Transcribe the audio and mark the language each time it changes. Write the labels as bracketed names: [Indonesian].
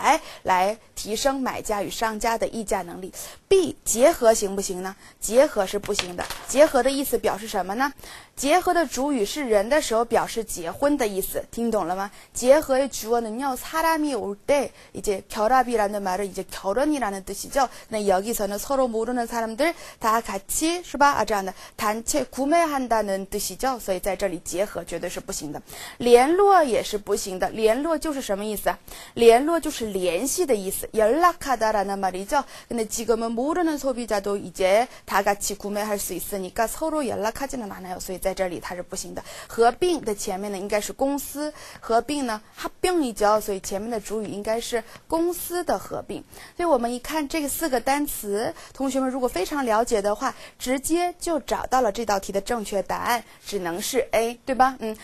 [Chinese] 是不是啊，在一起的意思，他们给他个起，所以联合起来来提升买家与商家的议价能力。B 结合行不行呢？结合是不行的。结合的意思表示什么呢？结合的主语是人的时候，表示结婚的意思，听懂了吗？结合 주어는 사람이 올 때, 이제 결합이라는 말은 이제 결혼이라는 뜻이죠. [Korean] 那 여기서는 서로 모르는 사람들 다 같이 是吧？啊，这样的， 단체 구매한다는 뜻이죠. [Chinese] 所以在这里结合绝对是不行的。联络也是不行的，联络就是什么意思？联络就是联系的意思。 [Korean] 연락하다라는 말이죠. 근데 지금은 모르는 소비자도 이제 다 같이 구매할 수 있으니까 서로 연락하지는 않아요. [Chinese] 所以在这里它是不行的。合并的前面呢应该是公司，合并呢合并呢，所以前面的主语应该是公司的合并。所以我们一看这四个单词，同学们如果非常了解的话，直接就找到了这道题的正确答案，只能是 A， 对吧？